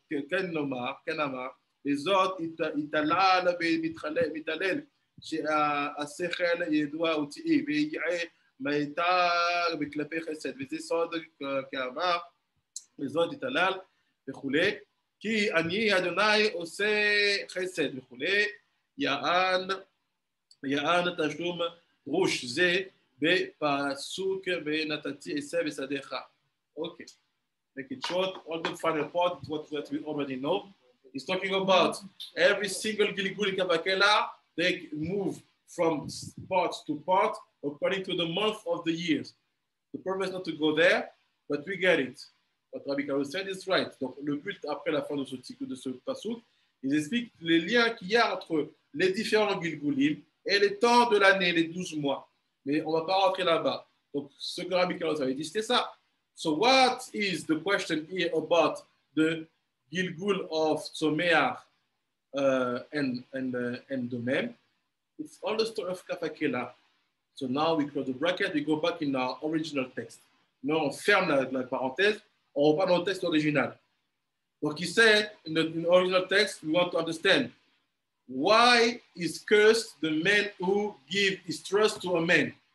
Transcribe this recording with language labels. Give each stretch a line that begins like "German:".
Hebrew: כן נאמר, כן אמר, וזאת התעלל ומתעלל, שהשכל ידוע וצעי, ויגיעי, מאיתה בכלפי חסד, וזה סוד כאמר, וזאת התעלל וכו', כי אני אדוני עושה חסד וכו', יען תשלום רוש זה בפסוק ונתתי עשה בשדך.
English: אוקיי, make it short, all the final part, what we already know, he's talking about every single גלגול כבקלה, they move from part to part, according to the month of the years. The purpose is not to go there, but we get it. What Rabbi Karo said is right.
French: Donc, le but, après la fin de ce pasuk, il explique les liens qu'il y a entre les différents gilgulim et les temps de l'année, les 12 mois. Mais on ne va pas rentrer là-bas. Donc, ce que Rabbi Karo avait dit, c'était ça.
English: So, what is the question here about the gilgul of Tzomear and Domem? It's all the story of Kafakela. So now we close the bracket, we go back in our original text.
French: Now on ferme la parenthèse, on repart dans le texte original.
English: What he said in the original text, we want to understand why is cursed the man who gives his trust to a man?